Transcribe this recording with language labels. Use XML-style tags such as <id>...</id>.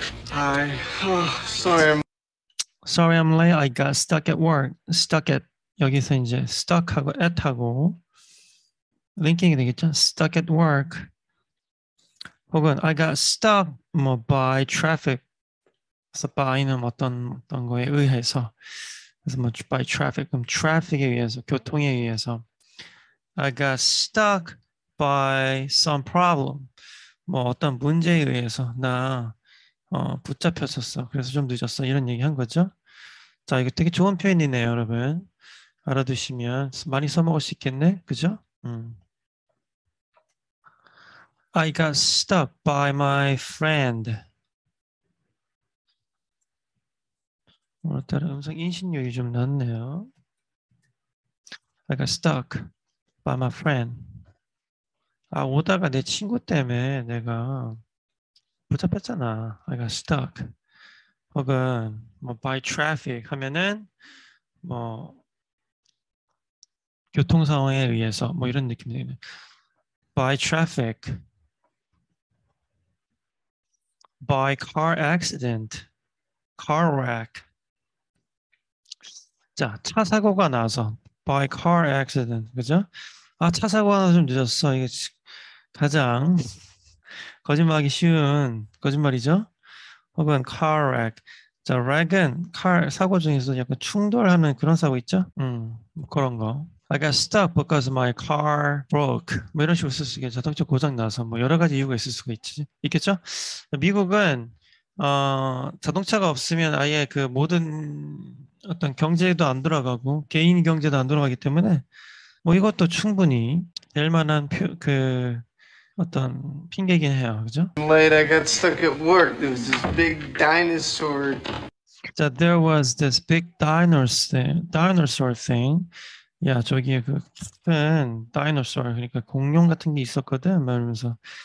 <en>Hi, oh, sorry I'm. Sorry I'm late. I got stuck at work. Stuck at</en> <ko>여기서 이제 stuck 하고 at 하고. 링킹이 되겠죠?</ko> <en>Stuck at work.</en> <ko>혹은</ko> <en>I got stuck by traffic.</en> <ko>So by는 어떤 거에 의해서. 그래서</ko> <en>by traffic.</en> <ko>그럼 traffic에 의해서, 교통에 의해서.</ko> <en>I got stuck by some problem.</en> <ko>어떤 문제에 의해서. 나 붙잡혔었어. 그래서 좀 늦었어. 이런 얘기 한 거죠. 자, 이거 되게 좋은 표현이네요, 여러분. 알아두시면 많이 써먹을 수 있겠네. 그죠?</ko> <en>I got stuck by my friend.</en> <ko>오늘따라 음성 인신율이 좀 낮네요.</ko> <en>I got stuck by my friend.</en> <ko>아, 오다가 내 친구 때문에 내가 붙잡혔잖아.</ko> <en>I got stuck.</en> <ko>혹은</ko> <en>by traffic</en> <ko>하면은 교통 상황에 의해서 이런 느낌이 드네.</ko> <en>By traffic. By car accident, car wreck.</en> <ko>자, 차 사고가 나서</ko> <en>by car accident,</en> <ko>그죠? 아, 차 사고가 나서 좀 늦었어. 이게 가장 거짓말하기 쉬운 거짓말이죠. 혹은</ko> <en>car wreck.</en> <ko>자, wreck은 car 사고 중에서 약간 충돌하는 그런 사고 있죠? 그런 거.</ko> <en>I got stuck because my car broke.</en> <ko>뭐 이런 식으로 쓸 수 있겠죠. 자동차 고장나서 여러 가지 이유가 있을 수가 있겠죠. 미국은 자동차가 없으면 아예 그 모든 어떤 경제도 안 돌아가고 개인 경제도 안 돌아가기 때문에 이것도 충분히 될 만한 그 어떤 핑계긴 해요. 그죠?</ko> <en>Late, I got stuck at work. There was this big dinosaur. So there was this big dinosaur thing.</en> <ko>야, 저기에 그 큰 다이노소어, 그러니까 공룡 같은 게 있었거든, 말하면서.</ko>